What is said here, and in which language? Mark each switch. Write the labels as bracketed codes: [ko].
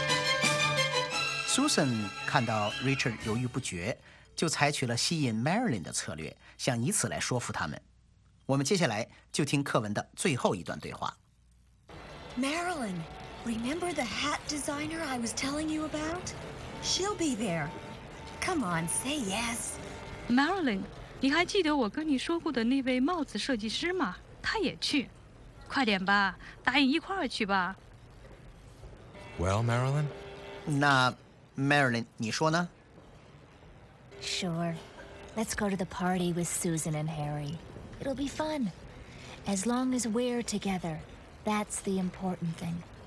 [zh] 我们大概或者可能已经有安排了。Susan 看到 Richard 犹豫不决，就采取了吸引 Marilyn 的策略，想以此来说服他们。我们接下来就听课文的最后一段对话。Marilyn, [en] remember the hat designer I was telling you about? She'll be there. Come on, say yes. [zh] Marilyn, 你还记得我跟你说过的那位帽子设计师吗? 她也去。快点吧，答应一块儿去吧。 [en] Well, Marilyn? [zh] 那 Marilyn, 你说呢? [en] Sure. Let's go to the party with Susan and Harry. It'll be fun. As long as we're together, that's the important thing.